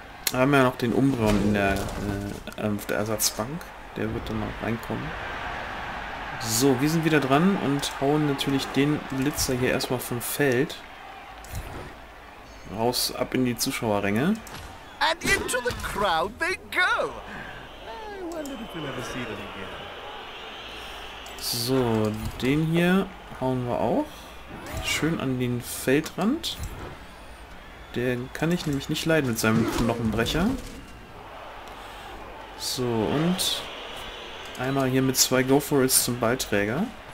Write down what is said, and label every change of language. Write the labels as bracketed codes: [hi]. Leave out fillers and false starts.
[de] Wir haben ja noch den Umbron in der, auf der Ersatzbank. Der wird dann mal reinkommen. So, wir sind wieder dran und hauen natürlich den Blitzer hier erstmal vom Feld. Raus, ab in die Zuschauerränge. [en] And into the crowd they go. I wonder if we'll ever see them again. [de] So, den hier hauen wir auch. Schön an den Feldrand. Den kann ich nämlich nicht leiden mit seinem Knochenbrecher. So, und einmal hier mit zwei Go-For-Its zum Ballträger.